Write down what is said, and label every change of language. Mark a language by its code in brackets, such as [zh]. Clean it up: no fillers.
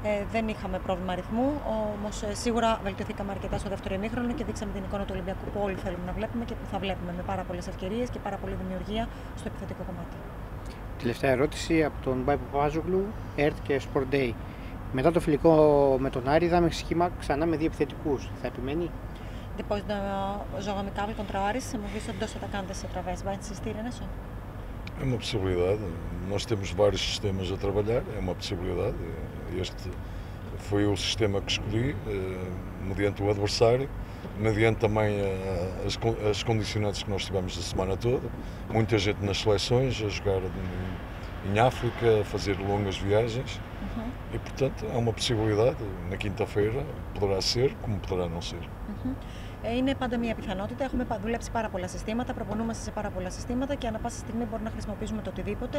[el] Δεν είχαμε πρόβλημα ρυθμού, όμως σίγουρα βελτιωθήκαμε αρκετά στο δεύτερο ημίχρονο και δείξαμε την εικόνα του Ολυμπιακού που όλοι θέλουμε να βλέπουμε και που θα βλέπουμε με πάρα πολλές ευκαιρίες και πάρα πολλή δημιουργία στο επιθετικό κομμάτι. Τελευταία ερώτηση από τον Μπάι Παπαζούγλου, ΕΡΤ και Sport Day. Μετά το φιλικό με τον Άρη, είδαμε σχήμα ξανά με δύο επιθετικούς. Θα επιμένει? [pt] Depois do jogo amicável contra o Aris, [es] hemos visto [pt] dois atacantes outra vez. Vai insistir nisso? É uma possibilidade. Nós temos vários sistemas a trabalhar. É uma possibilidade. Este foi o sistema que escolhi, mediante o adversário, mediante também as condicionantes que nós tivemos a semana toda. Muita gente nas seleções a jogar em África, a fazer longas viagens. E, portanto, é uma possibilidade. Na quinta-feira poderá ser, como poderá não ser. [el] Είναι πάντα μια πιθανότητα. Έχουμε δουλέψει πάρα πολλά συστήματα, προπονούμαστε σε πάρα πολλά συστήματα και ανά πάσα στιγμή μπορούμε να χρησιμοποιήσουμε το οτιδήποτε.